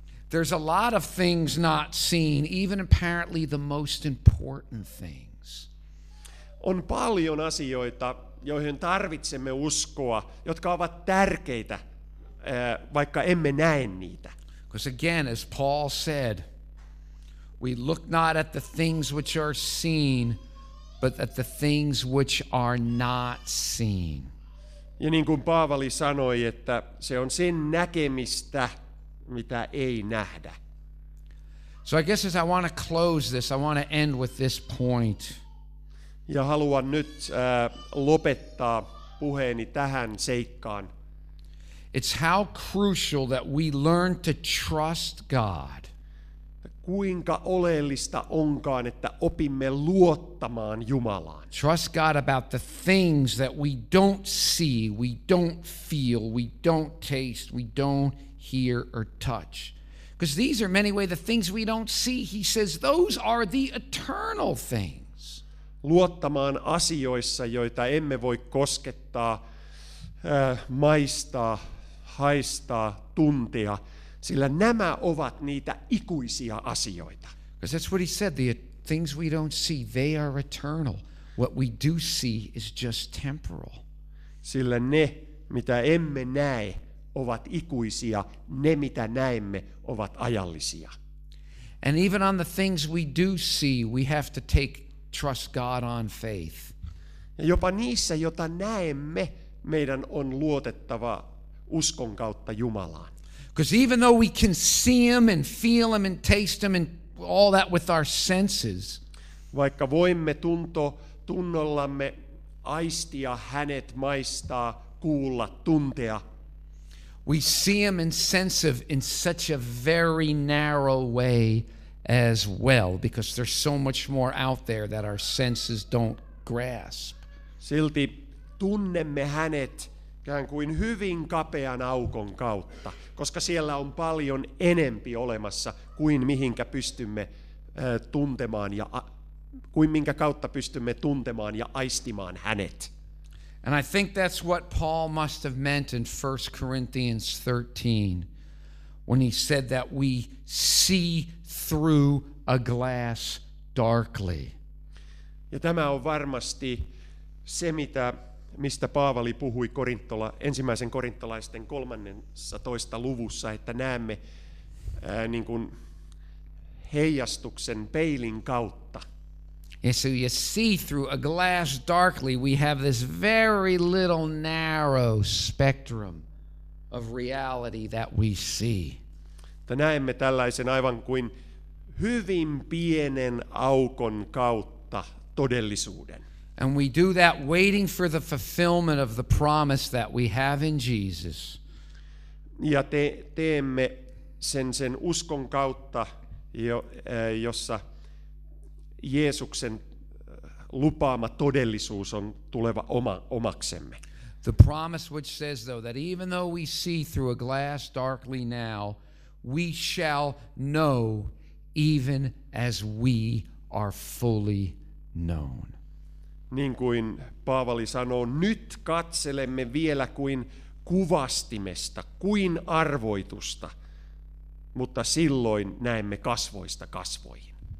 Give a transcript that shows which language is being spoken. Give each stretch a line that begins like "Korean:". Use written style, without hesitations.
English: There's a lot of things not seen, even apparently the most important things.
Finnish: On paljon asioita, joihin tarvitsemme uskoa, jotka ovat tärkeitä, vaikka emme näe niitä.
English: Because again, as Paul said, we look not at the things which are seen, but at the things which are not seen.
Finnish: Ja niin kuin Paavali sanoi, että se on sen näkemistä, mitä ei nähdä.
English: So I guess as I want to close this, I want to end with this point.
Finnish: Ja haluan nyt lopettaa puheeni tähän seikkaan.
English: It's how crucial that we learn to trust God.
Finnish: Kuinka oleellista onkaan, että opimme luottamaan Jumalaan.
English: Trust God about the things that we don't see, we don't feel, we don't taste, we don't hear or touch. Because these are many way the things we don't see. He says those are the eternal things.
Finnish: Luottamaan asioissa, joita emme voi koskettaa, maistaa, haistaa, tuntia. Sillä nämä ovat niitä ikuisia asioita.
English: Because that's what he said, the things we don't see, they are eternal. What we do see is just temporal.
Finnish: Sillä ne, mitä emme näe, ovat ikuisia. Ne, mitä näemme, ovat ajallisia.
English: And even on the things we do see, we have to take trust God on faith.
Finnish: Ja jopa niissä, jota näemme, meidän on luotettava uskon kautta Jumalaan.
English: Because even though we can see him and feel him and taste him and all that with our senses,
Finnish: vaikka voimme tunnollamme aistia hänet, maistaa, kuulla, tuntea,
English: we see him and sense him in such a very narrow way as well, because there's so much more out there that our senses don't grasp.
Finnish: Silti tunnemme hänet ikään kuin hyvin kapean aukon kautta, koska siellä on paljon enempi olemassa kuin mihinkä pystymme tuntemaan ja kuin minkä kautta pystymme tuntemaan ja aistimaan hänet.
English: And I think that's what Paul must have meant in 1 Corinthians 13 when he said that we see through a glass darkly.
Finnish: Ja tämä on varmasti se mistä Paavali puhui ensimmäisen korinttolaisten 13. luvussa, että näemme niin kuin heijastuksen peilin kautta.
English: Yeah, so you see through a glass darkly, we have this very little narrow spectrum of reality that we see.
Finnish: Että näemme tällaisen aivan kuin hyvin pienen aukon kautta todellisuuden.
English: And we do that waiting for the fulfillment of the promise that we have in Jesus.
Finnish: Ja teemme sen uskon kautta, jossa Jeesuksen lupaama todellisuus on tuleva omaksemme.
English: The promise which says though that even though we see through a glass darkly now, we shall know even as we are fully known.
Finnish: Niin kuin Paavali sanoo, nyt katselemme vielä kuin kuvastimesta, kuin arvoitusta, mutta silloin näemme kasvoista kasvoihin.